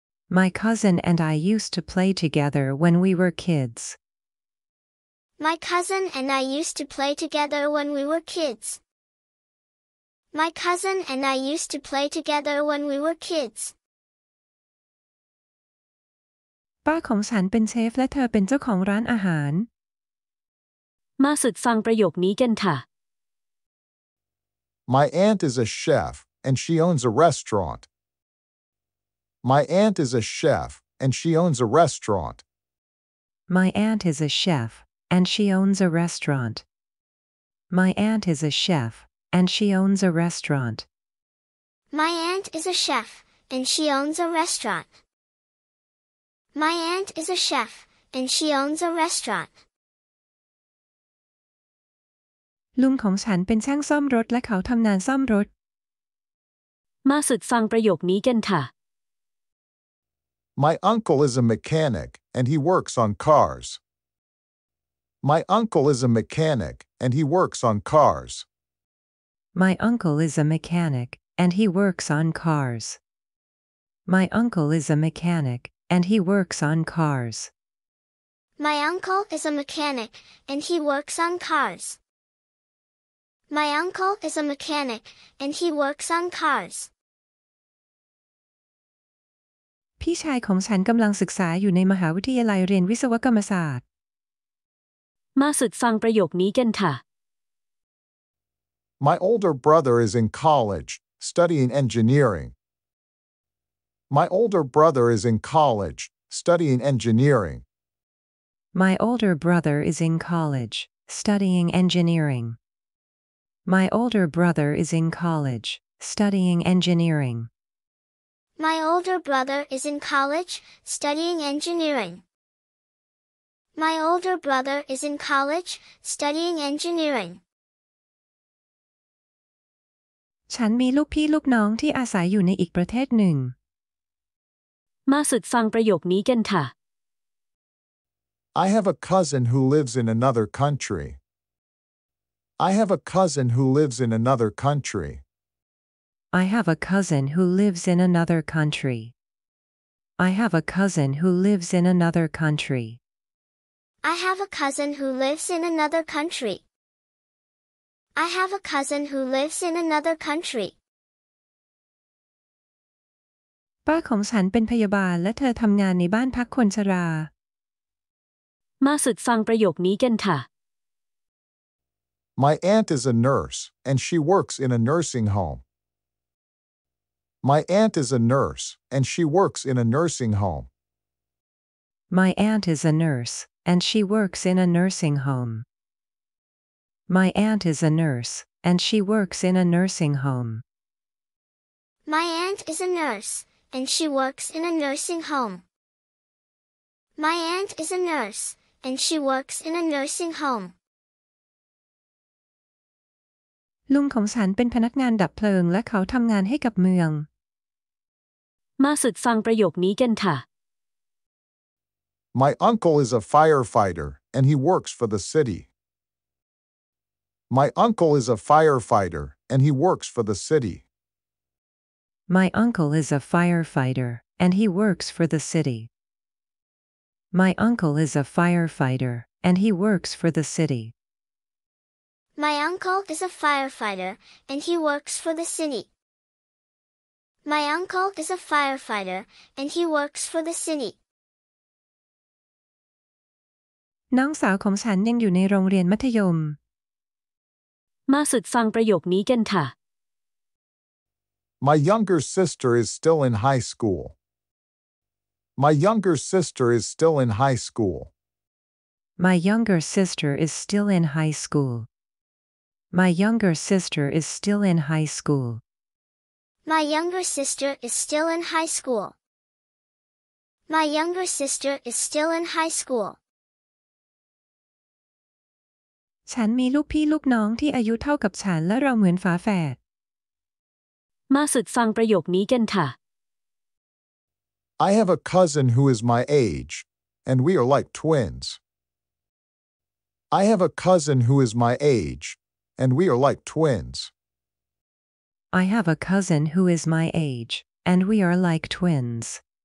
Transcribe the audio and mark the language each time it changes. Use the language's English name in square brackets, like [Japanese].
[English] My cousin and I used to play together when we were kids. My cousin and I used to play together when we were kids. My cousin and I used to play together when we were kids. [Thai] ป้าของฉันเป็นเชฟและเธอเป็นเจ้าของร้านอาหาร มาฝึกฟังประโยคนี้กันค่ะ [English] My aunt is a chef and she owns a restaurant. My aunt is a chef and she owns a restaurant. My aunt is a chef and she owns a restaurant. My aunt is a chef and she owns a restaurant. My aunt is a chef and she owns a restaurant. My aunt is a chef and she owns a restaurant. [Thai] ลุงของฉันเป็นช่างซ่อมรถและเขาทำงานซ่อมรถ มาฝึกฟังประโยคนี้กันค่ะ [English] My uncle is a mechanic and he works on cars. My uncle is a mechanic and he works on cars. My uncle is a mechanic and he works on cars. My uncle is a mechanic and he works on cars. My uncle is a mechanic and he works on cars. My uncle is a mechanic and he works on cars. [Thai] พี่ชายของฉันกำลังศึกษาอยู่ในมหาวิทยาลัยเรียนวิศวกรรมศาสตร์ มาฝึกฟังประโยคนี้กันค่ะ [English] My older brother is in college studying engineering. My older brother is in college studying engineering. My older brother is in college studying engineering. My older brother is in college studying engineering. My older brother is in college studying engineering. My older brother is in college, studying engineering. [Thai] ฉันมีลูกพี่ลูกน้องที่อาศัยอยู่ในอีกประเทศหนึ่ง มาฝึกฟังประโยคนี้กันค่ะ [English] I have a cousin who lives in another country. I have a cousin who lives in another country. I have a cousin who lives in another country. I have a cousin who lives in another country. I have a cousin who lives in another country. I have a cousin who lives in another country. [Thai] ป้าของฉันเป็นพยาบาลและเธอทำงานในบ้านพักคนชราม าฝึกฟังประโยคนี้กันค่ะ [English] My aunt is a nurse and she works in a nursing home. My aunt is a nurse and she works in a nursing home. My aunt is a nurse and she works in a nursing home. My aunt is a nurse and she works in a nursing home. My aunt is a nurse and she works in a nursing home. My aunt is a nurse. And she works in a nursing home. [Thai] ลุงของฉันเป็นพนักงานดับเพลิงและเขาทำงานให้กับเมือง มาฝึกฟังประโยคนี้กันค่ะ [English] My uncle is a firefighter and he works for the city. My uncle is a firefighter and he works for the city. My uncle is a firefighter and he works for the city. My uncle is a firefighter, and he works for the city. My uncle is a firefighter, and he works for the city. My uncle is a firefighter, and he works for the city. [Thai] น้องสาวของฉันยังอยู่ในโรงเรียนมัธยม มาฝึกฟังประโยคนี้กันค่ะ [English] My younger sister is still in high school. My younger sister is still in high school. My younger sister is still in high school. My younger sister is still in high school. My younger sister is still in high school. My younger sister is still in high school. [Thai] ฉันมีลูกพี่ลูกน้องที่อายุเท่ากับฉันและเราเหมือนฝาแฝด มาฝึกฟังประโยคนี้กันค่ะ [English] I have a cousin who is my age, and we are like twins. I have a cousin who is my age, and we are like twins. I have a cousin who is my age, and we are like twins.